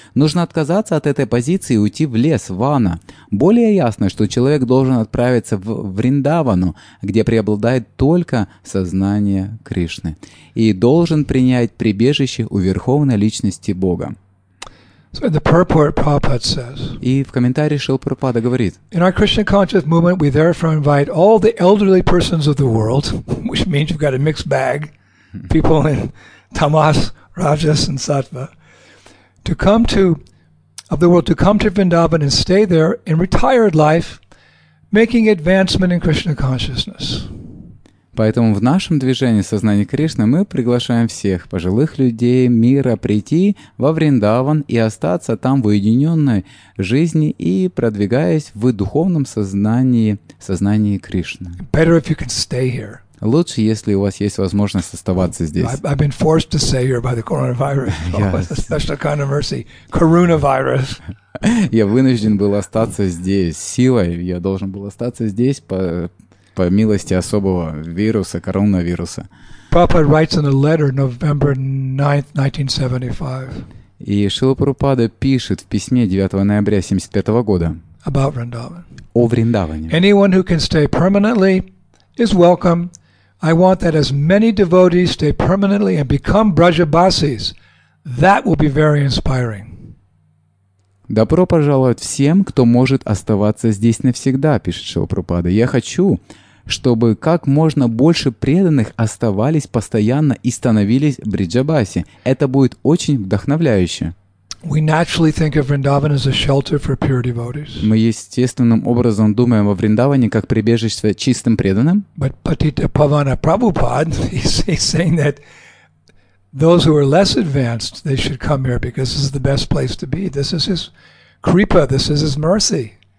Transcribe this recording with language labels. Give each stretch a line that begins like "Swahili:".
Russian: Нужно отказаться от этой позиции и уйти в лес, в Вана. Более ясно, что человек должен отправиться в Вриндавану, где преобладает только сознание Кришны, и должен принять прибежище у Верховной Личности Бога.
English: So in the purport, Prabhupada says,
Russian: и в комментарии Шрила Прабхупада говорит,
English: in our Krishna conscious movement, we therefore invite all the elderly persons of the world, which means you've got a mixed bag, people in tamas, rajas, and sattva, to come to Vrindavan and stay there in retired life, making advancement in Krishna consciousness.
Russian: Поэтому в нашем движении сознания Кришны мы приглашаем всех пожилых людей мира прийти во Вриндаван и остаться там в уединенной жизни и продвигаясь в духовном сознании Кришны.
English: Better if you can stay here.
Russian: Лучше, если у вас есть возможность оставаться здесь.
English: I've been forced to stay here by the coronavirus. Yes. Oh, a special kind of mercy. Coronavirus.
Russian: Я вынужден был остаться здесь. Силой я должен был остаться здесь по милости особого вируса, коронавируса.
English: Prabhupada writes in a letter November 9, 1975.
Russian: И Шрила Прабхупада пишет в письме 9 ноября 1975 года
English: about Vrindavan.
Russian: О Вриндаване.
English: Anyone who can stay permanently is welcome. I want that as many devotees stay permanently and become Brajabasis. That will be very inspiring.
Russian: Добро пожаловать всем, кто может оставаться здесь навсегда, пишет Шрила Прабхупада. Я хочу, чтобы как можно больше преданных оставались постоянно и становились бриджабаси. Это будет очень вдохновляюще.
English: We naturally think of Vrindavan as a shelter for pure devotees.
Russian: Мы естественным образом думаем о Вриндаване как прибежище чистым преданным.
English: But Patita Pavana Prabhupada is saying that those who are less advanced, they should come here because this is the best place to be. This is his kripa, this is his mercy.